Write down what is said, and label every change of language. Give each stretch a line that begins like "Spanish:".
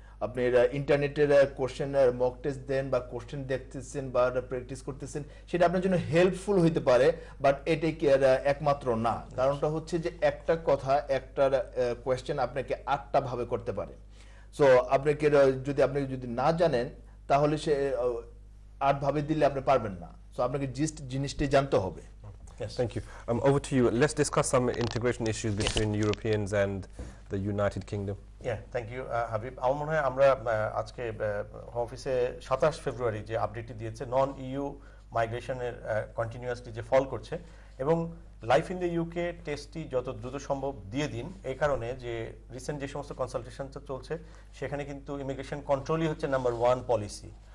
Bangla: আপনি ইন্টারনেটের question mock test দেন বা কোশ্চেন দেখতেছেন বা প্র্যাকটিস করতেছেন, সেটা আপনার জন্য হেল্পফুল হইতে পারে, বাট এটাই কি একমাত্র না। কারণটা হচ্ছে যে একটা কথা, একটা কোয়েশ্চেন আপনাকে আটটা ভাবে করতে পারে। সো আপনাকে যদি আপনি যদি না জানেন তাহলে সে আট ভাবে দিলে আপনি পারবেন না। সো আপনাকে জিস্ট জিনিসটাই জানতে হবে।
English: Yes, thank you. Over to you. Let's discuss some integration issues between Europeans and the United Kingdom. Yeah, thank you, Habib.
Bangla: আমার মনে হয় আমরা আজকে অফিসে 27 ফেব্রুয়ারি যে আপডেটটি দিয়েছে, নন ইউ মাইগ্রেশনের কন্টিনিউয়াসলি যে ফল করছে, এবং লাইফ ইন দ্য ইউকে টেস্টটি যত দ্রুত সম্ভব দিয়ে দিন, এই কারণে যে রিসেন্ট যে সমস্ত কনসালটেশনটা চলছে সেখানে কিন্তু ইমিগ্রেশন কন্ট্রোলই হচ্ছে নাম্বার ওয়ান পলিসি।